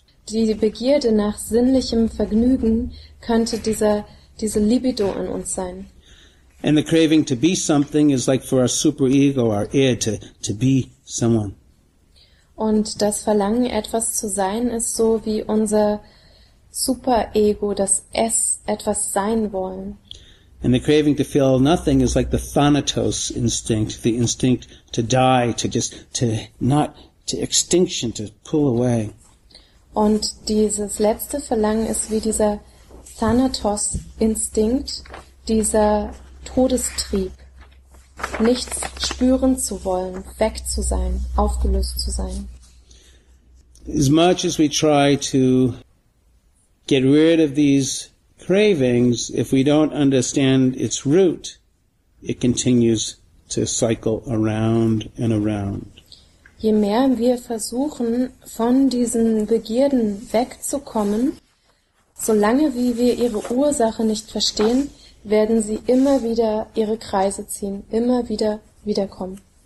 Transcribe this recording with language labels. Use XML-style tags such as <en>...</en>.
<de>Die Begierde nach sinnlichem Vergnügen könnte diese Libido in uns sein.</de> <en>And the craving to be something is like for our superego, our id, to be someone.</en> <de>Und das Verlangen, etwas zu sein, ist so wie unser Superego, das Es, etwas sein wollen.</de> <en>And the craving to feel nothing is like the Thanatos instinct, the instinct to die, to just, to not, to extinction, to pull away.</en> <de>Und dieses letzte Verlangen ist wie dieser Thanatos Instinkt, dieser Todestrieb. Nichts spüren zu wollen, weg zu sein, aufgelöst zu sein.</de> <en>As much as we try to get rid of these cravings, if we don't understand its root, it continues to cycle around and around.</en> <de>Je mehr wir versuchen, von diesen Begierden wegzukommen, solange wie wir ihre Ursache nicht verstehen, werden sie immer wieder ihre Kreise ziehen, immer wieder wiederkommen.</de>